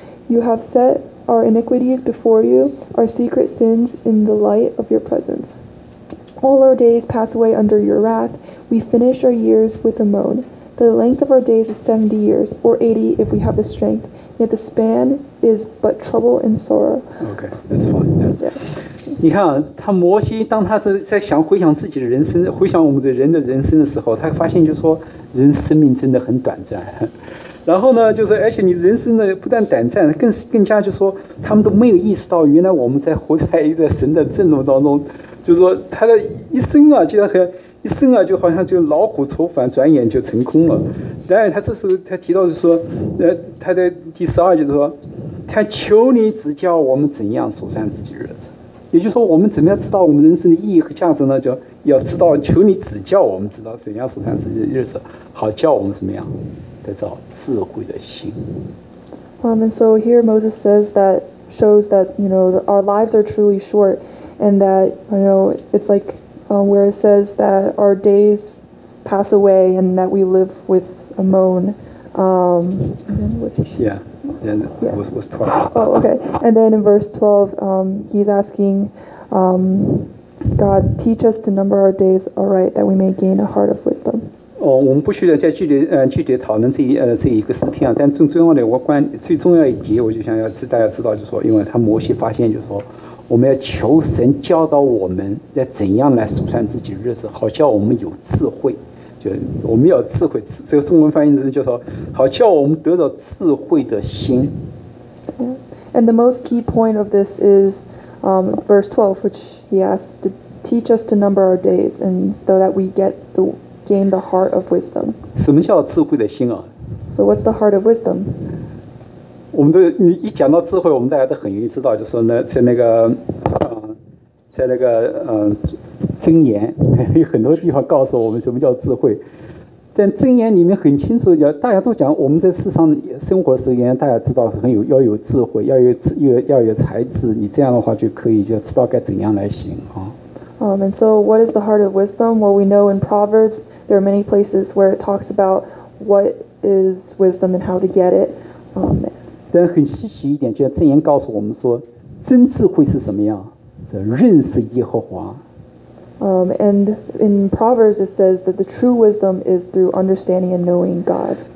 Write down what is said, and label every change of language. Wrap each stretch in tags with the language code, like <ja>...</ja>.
<en>You have set our iniquities before you, our secret sins in the light of your presence. All our days pass away under your wrath. We finish our years with a moan. The length of our days is 70 years, or 80 if we have the strength. Yet the span is but trouble and sorrow. Okay, that's fine. Yeah. Yeah.</en> <zh>你看他摩西当他是在想回想自己的人生回想我们的人的人生的时候，他发现就是说人生命真的很短暂，然后呢就是而且你人生的不但短暂更加就是说他们都没有意识到原来我们在活在一个神的震怒当中，就是说他的一生啊就像一生啊就好像就劳苦愁烦转眼就成空了。然而他这时候他提到就是说他的第十二就是说他求你指教我们怎样数算自己的日子，也就是说我们怎么样知道我们人生的意义和价值呢，就要知道，求你指教我们，知道怎样所上自己的日子，好叫我们怎么样得到智慧的心。</zh> <en>And so here Moses says that shows that you know our lives are truly short, and that you know it's like where it says that our days pass away and that we live with a moan. Yeah, and then verse 12. Oh, okay. And then in verse 12, he's asking, God, teach us to number our days aright, that we may gain a heart of wisdom.</en> <zh>Oh, 我们不需要再具体讨论这一个诗篇啊。但最重要一节，我就想要大家知道，就是说，因为他摩西发现，就是说，我们要求神教导我们要怎样来数算自己的日子，好叫我们有智慧。就我们要智慧，这个中文翻译成就是说，好叫我们得到智慧的心。</zh> <en>And the most key point of this is, verse 12, which he asks to teach us to number our days, and so that we gain the heart of wisdom.</en> <zh>什么叫智慧的心啊</zh> <en>？So what's the heart of wisdom?</en> <zh>我们都你一讲到智慧，我们大家都很容易知道，就是那在那个，在那个箴言有很多地方告诉我们什么叫智慧。在箴言里面很清楚，大家都讲我们在世上生活的时候，大家知道要有智慧，要有才智，你这样的话就可以就知道该怎样来行啊。</zh> <en>And so what is the heart of wisdom? Well, we know in Proverbs, there are many places where it talks about what is wisdom and how to get it.</en> <zh>但很稀奇一点，就像箴言告诉我们说，真智慧是什么样？是认识耶和华。</zh> <en>And in Proverbs, it says that the true wisdom is through understanding and knowing God.</en>